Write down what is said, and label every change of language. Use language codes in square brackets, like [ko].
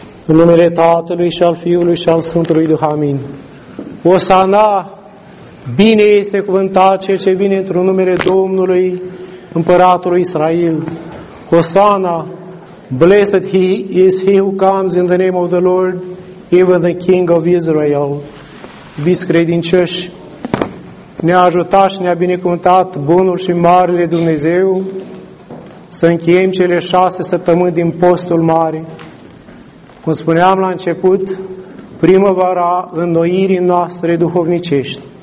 [ro] În numele Tatălui și al Fiului și al Sfântului Duh, amin. Osana, bine este cuvântat cel ce vine într-un numele Domnului, Împăratului Israel. [en] Osana, blessed he is he who comes in the name of the Lord, even the King of Israel. [ro] Iubiți credincioși, ne-a ajutat și ne-a binecuvântat bunul și marele Dumnezeu să încheiem cele 6 săptămâni din postul mare. Cum spuneam la început, primăvara înnoirii noastre duhovnicești.